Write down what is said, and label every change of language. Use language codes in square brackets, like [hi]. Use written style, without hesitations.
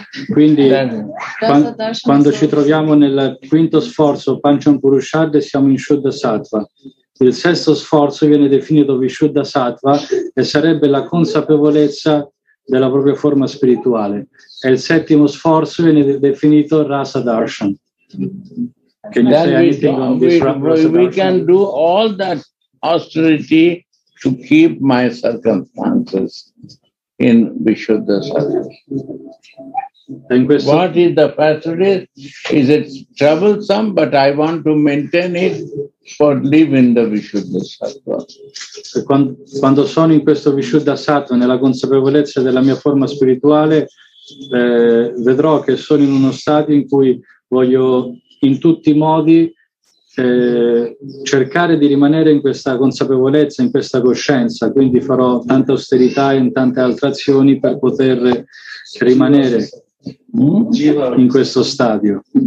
[it] Quindi quando ci troviamo nel quinto sforzo Pancham Purushad siamo in Shuddha Sattva. Il sesto sforzo viene definito Vishuddha Sattva e sarebbe la consapevolezza della propria forma spirituale. E il settimo sforzo viene definito Rasa Darshan. [en] Can you say anything on this? We can do all that austerity to keep my circumstances in Vishuddha service. What is the facility? Is it troublesome, but I want to maintain it for living the Vishuddha Sattva. [it] Quando sono in questo Vishuddha Sattva, nella consapevolezza della mia forma spirituale, vedrò che sono in uno stato in cui voglio in tutti i modi cercare di rimanere in questa consapevolezza, in questa coscienza, quindi farò tanta austerità e in tante altre azioni per poter rimanere in questo stadio.